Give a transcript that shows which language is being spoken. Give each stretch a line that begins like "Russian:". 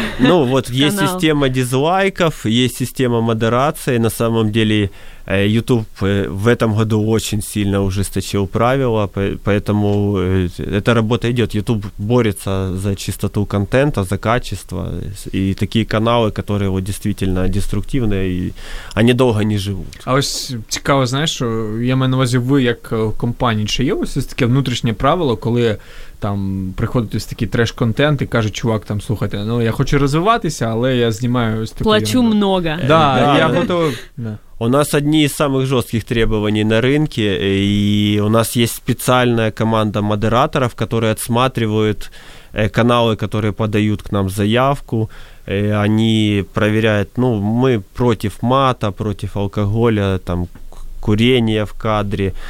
Russian: Ну, вот есть система дизлайков, есть система модерации, на самом деле... YouTube в этом году очень сильно ужесточил правила, поэтому эта работа идет. YouTube борется за чистоту контента, за качество, и такие каналы, которые вот действительно деструктивные, и они долго не живут.
Ukrainian: А ось цікаво, знаєш, що я маю на увазі, ви як компанія, чи є ось таке внутрішнє правило, коли там приходить ось такий треш-контент і каже, чувак, там, слухайте, ну, я хочу розвиватися, але я знімаю ось таке...
Russian: Плачу много.
Ukrainian: Да, я готовий...
Russian: У нас одни из самых жестких требований на рынке, и у нас есть специальная команда модераторов, которые отсматривают каналы, которые подают к нам заявку. Они проверяют, ну, мы против мата, против алкоголя, там, курения в кадре.